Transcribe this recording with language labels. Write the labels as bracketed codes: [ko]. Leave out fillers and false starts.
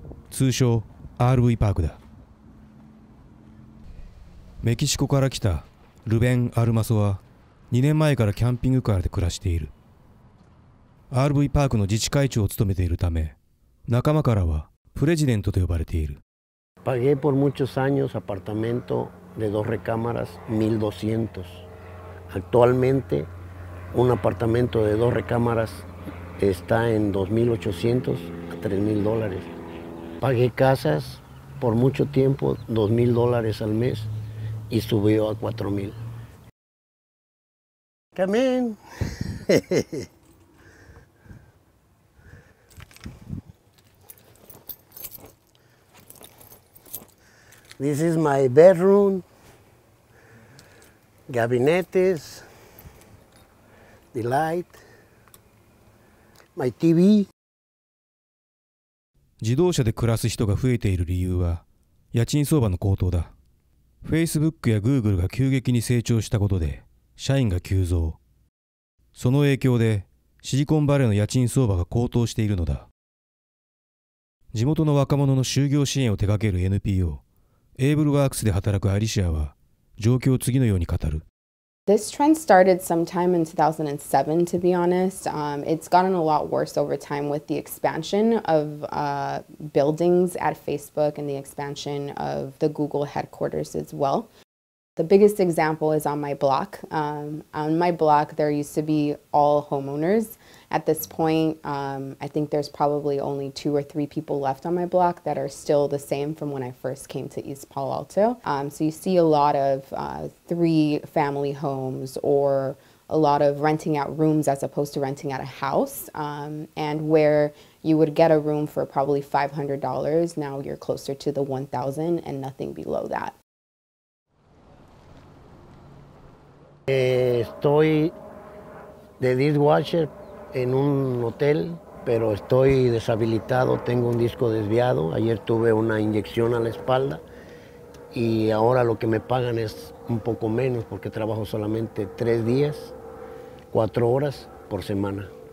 [ja] 通称、RV パークだ。メキシコから来たルベン・アルマソは、2年前からキャンピングカーで暮らしている。 RV パークの自治会長を務めているため、仲間からはプレジデントと呼ばれている。 [es] Pagué por muchos años apartamento de dos recámaras 1200. Actualmente un apartamento de dos recámaras está en 2800 a 3000 dólares. Pagué casas por mucho tiempo 2000 dólares al mes y subió a 4000. [en] Come in. This is my bedroom, gabinetes, the light, my TV. [ja] 自動車で暮らす人が増えている理由は家賃相場の高騰だ。 Facebook や Google が急激に成長したことで社員が急増。その影響でシリコンバレーの家賃相場が高騰しているのだ。地元の若者の就業支援を手掛ける NPO エイブルワークスで働くアリシアは状況を次のように語る。 [en] This trend started sometime in 2007 to be honest. It's gotten a lot worse over time with the expansion of buildings at Facebook and the expansion of the Google headquarters as well. The biggest example is on my block. On my block, there used to be all homeowners. At this point, I think there's probably only 2 or 3 people left on my block that are still the same from when I first came to East Palo Alto. So you see a lot of 3-family homes or a lot of renting out rooms as opposed to renting out a house. And where you would get a room for probably $500, now you're closer to the $1,000 and nothing below that. [es] Estoy de dishwasher en un hotel, pero estoy deshabilitado, tengo un disco desviado. Ayer tuve una inyección a la espalda y ahora lo que me pagan es un poco menos porque trabajo solamente 3 días, 4 horas por semana.